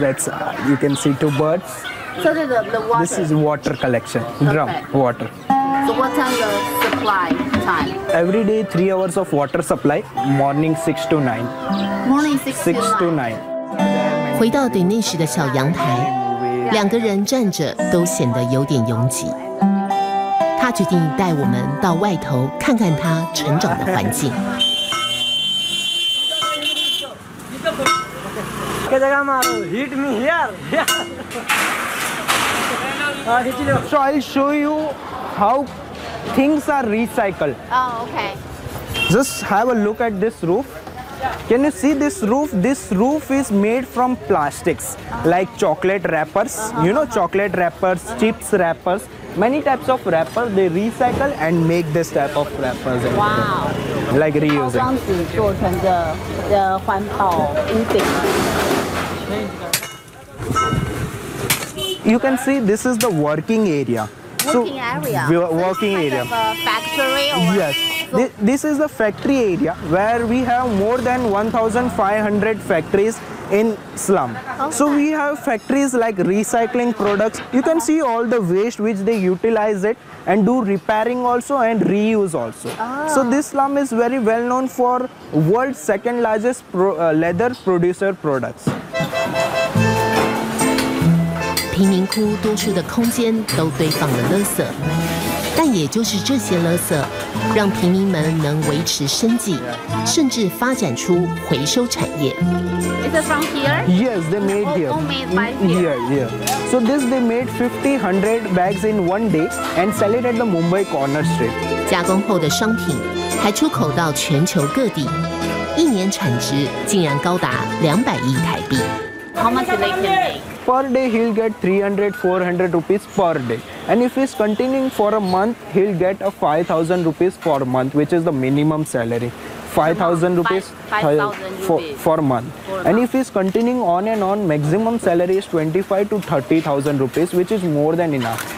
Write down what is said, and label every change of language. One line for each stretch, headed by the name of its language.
English: That's you can see two birds. So the water. This is water collection. Drum water. So what are your supply time? Every day 3 hours of water supply. Morning 6 to 9. Morning 6 to 9.
Chinese: 回到 Dinesh 的小阳台。两个人站着都显得有点拥挤，他决定带我们到外头看看他成长的环境。在这干嘛
English: ？Hit me here. So I'll show you how things are recycled. Oh, okay. Just have a look at this roof. Can you see this roof? This roof is made from plastics, like chocolate wrappers. You know, chocolate wrappers, chips wrappers, many types of wrappers. They recycle and make this type of wrappers. Wow! Like reusing.
Chinese: 包装纸做成的环保屋顶。
English: You can see this is the working area. Working area. Working area. Like a factory or. Yes. This is the factory area where we have more than 1,500 factories in slum. Okay. So we have factories like recycling products. You can see all the waste which they utilize it and do repairing also and reuse also. Oh. So this slum is very well known for world's second largest leather producer products.
Chinese: 贫民窟多数的空间都堆放了垃圾，但也就是这些垃圾让平民们能维持生计，甚至发展出回收产业。
English: Is it from here? Yes, they made here. All made by here. Yeah, yeah. So this they made 50-100 bags in one day and sell it at the Mumbai corner street.
Chinese: 加工后的商品还出口到全球各地，一年产值竟然高达200亿台币。
English: How much do they make? Per day he'll get 300-400 rupees per day. And if he's continuing for a month, he'll get a 5,000 rupees per month, which is the minimum salary. 5,000 rupees for a month. And if he's continuing on and on, maximum salary is 25 to 30,000 rupees, which is more than enough.